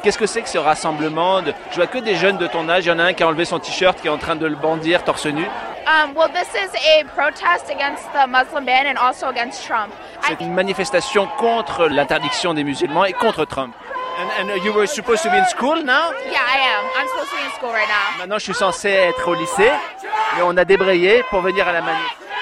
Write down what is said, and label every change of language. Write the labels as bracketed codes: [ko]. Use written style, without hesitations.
[fr] Qu'est-ce que c'est que ce rassemblement de... Je vois que des jeunes de ton âge. Il y en a un qui a enlevé son t-shirt, qui est en train de le bandir torse nu. [en] Well, this is a protest against the Muslim ban and also against Trump. [fr] C'est une manifestation contre l'interdiction des musulmans et contre Trump. [en] And you were supposed to be in school now? Yeah, I am. I'm supposed to be in school right now. [fr] Maintenant, je suis censé être au lycée, mais on a débrayé pour venir à la manif.